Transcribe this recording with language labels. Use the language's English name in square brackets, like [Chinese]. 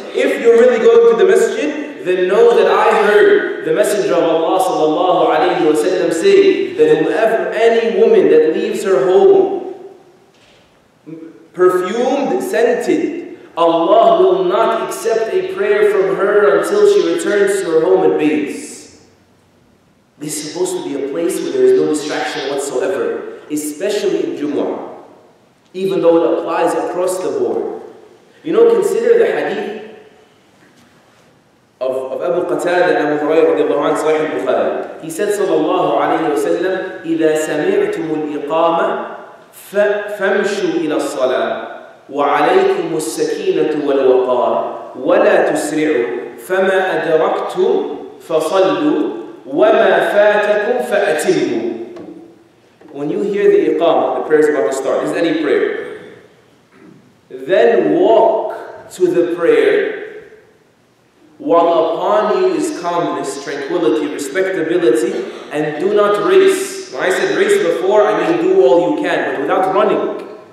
[English] If you're really going to the masjid, then know that I heard the Messenger of Allah sallallahu alayhi wa sallam say that whoever, any woman that leaves her home perfumed, scented, Allah will not accept a prayer from her until she returns to her home and bathes. This is supposed to be a place where there is no distraction whatsoever, especially in Jumu'ah. Even though it applies across the board. You know, consider the hadith of Abu Qatada and Abu Hurairah radiallahu anhu, Sahih al-Bukhari. He said, sallallahu alayhi wa sallam, [Arabic] إِذَا سَمِعْتُمُ الْإِقَامَةَ فَامْشُوا إِلَى الصَّلَاةِ وَعَلَيْكُمُ السَّكِينَةُ وَالْوَقَارِ وَلَا تُسْرِعُوا فَمَا أَدْرَكْتُمْ فَصَلُّوا وَمَا فَاتَكُمْ فَأَتِمُوا. [English] When you hear the iqama, the prayer is about to start, this is any prayer, then walk to the prayer while upon you is calmness, tranquility, respectability, and do not race. When I said race before, I mean do all you can, but without running.